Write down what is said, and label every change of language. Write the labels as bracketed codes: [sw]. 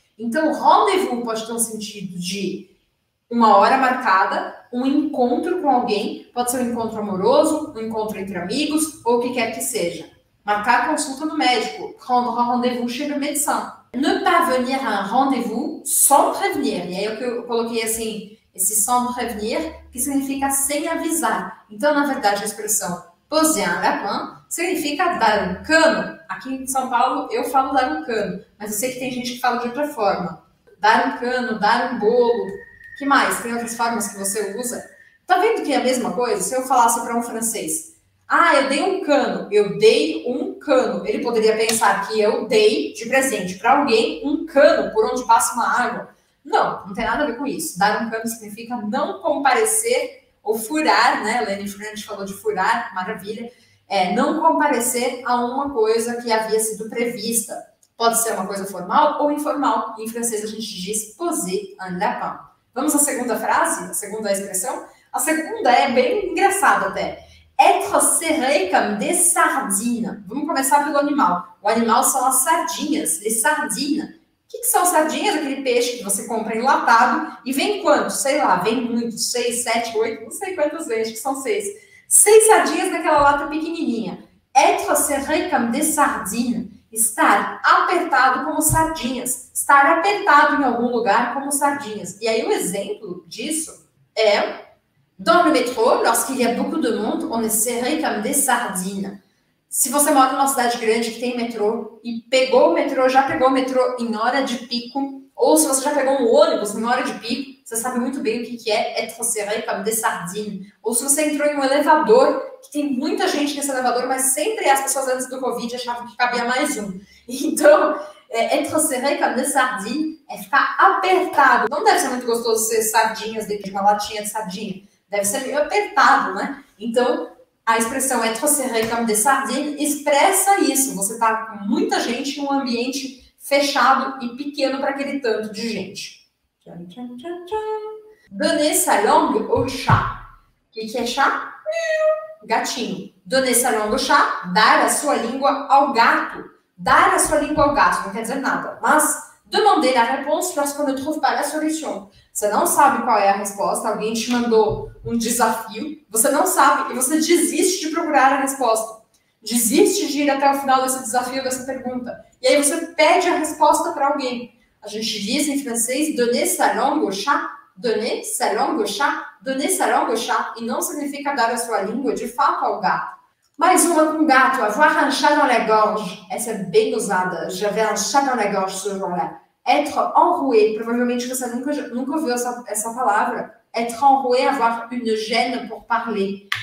[pt] Então, rendez-vous pode ter um sentido de uma hora marcada, um encontro com alguém, pode ser um encontro amoroso, um encontro entre amigos, ou o que quer que seja. Marcar consulta no médico. [fr] Prendre rendez-vous chez le médecin. Ne pas venir à un rendez-vous sans prévenir. [pt] E aí eu coloquei assim, esse sans prévenir, que significa sem avisar. Então, na verdade, a expressão poser un lapin significa dar um cano. Aqui em São Paulo, eu falo dar um cano. Mas eu sei que tem gente que fala de outra forma. Dar um cano, dar um bolo. Que mais? Tem outras formas que você usa? Tá vendo que é a mesma coisa? Se eu falasse para um francês, ah, eu dei um cano, eu dei um cano. Ele poderia pensar que eu dei de presente para alguém um cano por onde passa uma água. Não, não tem nada a ver com isso. Dar um cano significa não comparecer ou furar, né? Lenny French falou de furar, maravilha. É, não comparecer a uma coisa que havia sido prevista. Pode ser uma coisa formal ou informal. Em francês, a gente diz poser un lapin. Vamos à segunda frase, à segunda expressão? A segunda é bem engraçada até. [fr] Être serré comme des sardines. [pt] Vamos começar pelo animal. O animal são as sardinhas, les sardines. O que, que são sardinhas? Aquele peixe que você compra enlatado e vem quanto? Sei lá, vem muito, 6, 7, 8, não sei quantas vezes, acho que são 6. 6 sardinhas naquela lata pequenininha. [fr] Être serré comme des sardines. [pt] Estar apertado como sardinhas. Estar apertado em algum lugar como sardinhas. E aí um exemplo disso é... [fr] Dans le métro, lorsqu'il y a beaucoup de monde, on est serré comme des sardines. [pt] Se você mora numa cidade grande que tem metrô e pegou o metrô, já pegou o metrô em hora de pico, ou se você já pegou um ônibus em hora de pico, você sabe muito bem o que é [fr] être serré comme des sardines. [pt] Ou se você entrou em um elevador, que tem muita gente nesse elevador, mas sempre as pessoas antes do Covid achavam que cabia mais um. Então, [fr] être serré comme des sardines [pt] é ficar apertado. Não deve ser muito gostoso ser sardinhas dentro de uma latinha de sardinha. Deve ser meio apertado, né? Então, a expressão [fr] être serré comme des sardines [pt] expressa isso. Você está com muita gente em um ambiente fechado e pequeno para aquele tanto de gente. [fr] Donner sa langue au chat. [pt] O que, que é chat? Gatinho. [fr] Donner sa langue au chat, [pt] dar a sua língua ao gato. Dar a sua língua ao gato, não quer dizer nada. [fr] Mas, demander la réponse lorsqu'on ne trouve pas la solution. [pt] Você não sabe qual é a resposta, alguém te mandou um desafio, você não sabe e você desiste de procurar a resposta. Desiste de ir até o final desse desafio, dessa pergunta. E aí você pede a resposta para alguém. A gente diz em francês, [fr] donner sa langue au chat, [pt] donner sa langue au chat, donner sa langue au chat, e não significa dar a sua língua de fato ao gato. Mais uma com gato, [fr] avoir un chat dans la gorge. [pt] Essa é bem usada, [fr] j'avais un chat dans la gorge ce jour-là. [pt] Être enroué, provavelmente você nunca ouviu essa palavra. [fr] Être enroué, avoir une gêne pour parler.